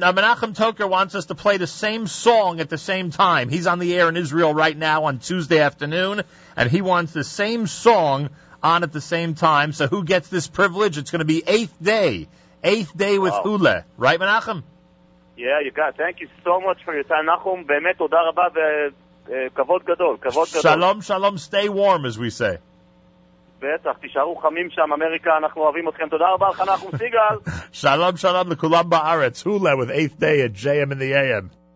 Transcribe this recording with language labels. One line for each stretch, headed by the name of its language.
English: Menachem Toker wants us to play the same song at the same time. He's on the air in Israel right now on Tuesday afternoon, and he wants the same song on at the same time. So who gets this privilege? It's going to be eighth day with Hula. Right, Menachem? Yeah, you got it. Thank you so much for your time.
Hebrew: Menachem, באמת תודה רבה וכבוד גדול, כבוד גדול.
English: Shalom, shalom. Stay warm, as we say.
Hebrew: בטח, תישארו חמים שם, אמריקה, אנחנו אוהבים אתכם. תודה רבה לך, אנחנו סיגל. שלום, שלום לכולם בארץ.
English: Hula with 8th day at JM in the AM.